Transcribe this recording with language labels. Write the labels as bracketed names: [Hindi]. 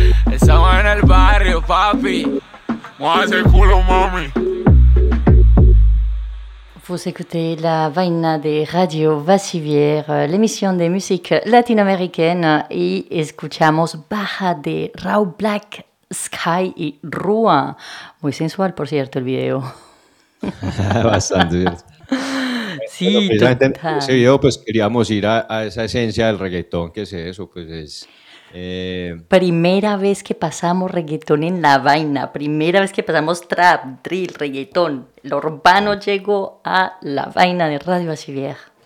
[Spanish] Estamos en el barrio, papi. Más el culo, mami. [French] Vous écoutez la vaina de Radio Vassivière, l'émission de musique latino-américaine, [Spanish] y escuchamos Baja de Raw Black Sky y Rua. Muy sensual, por cierto, el video. Bastante bien. Sí, precisamente total. En ese video pues queríamos ir a esa esencia del reggaetón, que es eso, pues es... Primera vez que pasamos reggaetón en la vaina, primera vez que pasamos trap, drill, reggaetón, lo urbano llegó a la vaina de Radio Asivier.